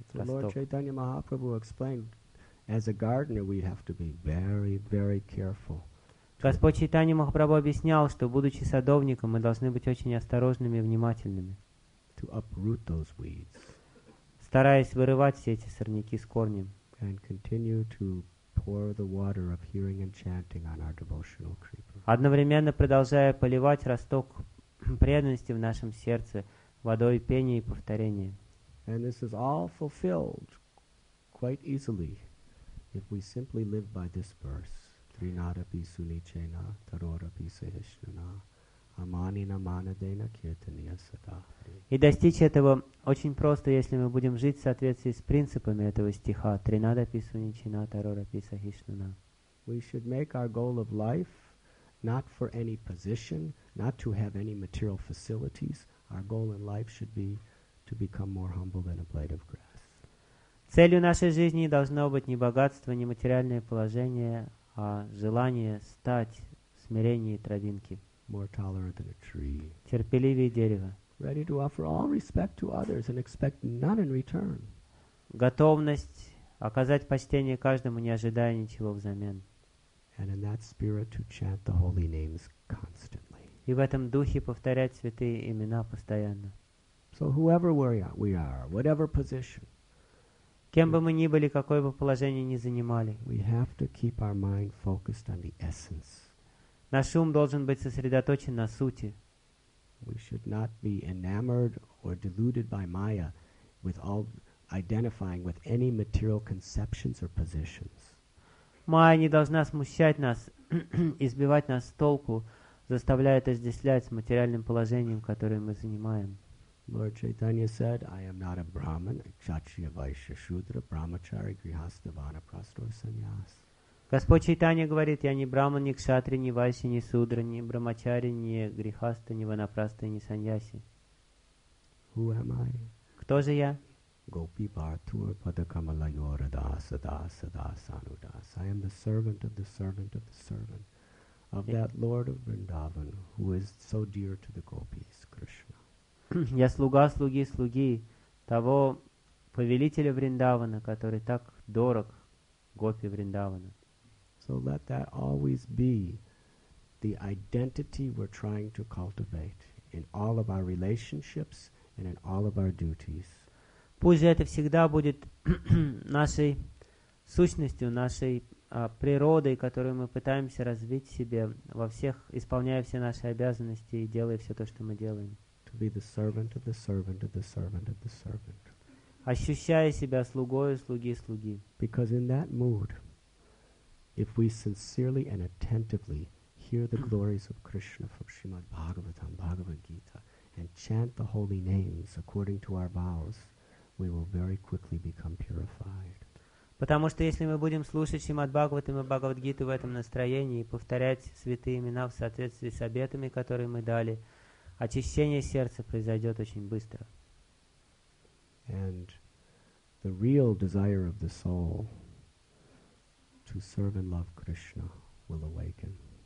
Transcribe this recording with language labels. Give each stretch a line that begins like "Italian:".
English: Lord Chaitanya Mahaprabhu explained, as a gardener, we have to be very, very careful.
Russian: Господь Чайтанья Махапрабху объяснял, что, будучи садовником, мы должны быть очень осторожными и внимательными,
English: to uproot those weeds,
Russian: стараясь вырывать все эти сорняки с корнем,
English: and continue to pour the water of hearing and chanting on our devotional creeper.
Russian: Одновременно продолжая поливать росток преданности в нашем сердце водой пения и повторения.
English: And this is all fulfilled quite easily if we simply live by this verse.
Sanskrit: Trinadapi sunichena tarorapi sahishnana amanina manadena kirtaniya sada.
Russian: И достичь этого очень просто, если мы будем жить в соответствии с принципами этого стиха.
Sanskrit: Trinadapi sunichena tarorapi sahishnana.
English: We should make our goal of life not for any position, not to have any material facilities. Our goal in life should be to become more humble than a blade of grass.
Russian: Целью нашей жизни должно быть не богатство, не материальное положение, а желание стать смиреннее травинки,
English: more tolerant than a tree,
Russian: терпеливее дерева,
English: ready to offer all respect to others and expect none in return,
Russian: готовность оказать почтение каждому, не ожидая ничего взамен,
English: and in that spirit to chant the holy names constantly,
Russian: и в этом духе повторять святые имена постоянно.
English: So whoever we are, whatever position,
Russian: кем бы мы ни были, какое бы положение ни занимали,
English: we have to keep our mind focused on the essence.
Russian: Наш ум должен быть сосредоточен на сути.
English: We should not be enamored or deluded by Maya with all identifying with any material conceptions or positions.
Russian: Майя не должна смущать нас, избивать нас с толку, заставляя отождествлять с материальным положением, которое мы занимаем.
English: Lord Chaitanya said, I am not a Brahman, a Kshatriya, Vaishya, Shudra, Brahmachari, Grihastha, Vanaprastha, or Sannyas.
Russian: Господь Чайтанья говорит, я не Брахман, не Кшатри, не Вайши, не Судра, не Брахмачари, не Грихаста, не Ванапрастха, не Саньяси.
English: Who am I?
Russian: Кто же я?
Sanskrit: Gopi Bhartur Padakamala Yora Dasa Dasa Dasa Anudasa.
English: I am the servant of the servant of the servant of that Lord of Vrindavan who is so dear to the gopis, Krishna.
Russian: Я слуга слуги слуги того повелителя Вриндавана, который так дорог гопи Вриндавана.
English: So let that always be the identity we're trying to cultivate in all of our relationships and in all of our duties.
Russian: Пусть это всегда будет нашей сущностью, нашей природой, которую мы пытаемся развить в себе во всех, исполняя все наши обязанности и делая все то, что мы делаем.
English: To be the servant of the servant of the servant of the servant.
Russian: Ощущая себя слугою слуги слуги.
English: Because in that mood, if we sincerely and attentively hear the glories of Krishna from Srimad Bhagavatam, Bhagavad Gita, and chant the holy names according to our vows, we will very quickly become purified.
Russian: Потому что если мы будем слушать Шримад Бхагаватам и Бхагавад Гиту в этом настроении и повторять святые имена в соответствии с обетами, которые мы дали, очищение сердца произойдет очень быстро.
English: And the real desire of the soul to serve and love Krishna will awaken.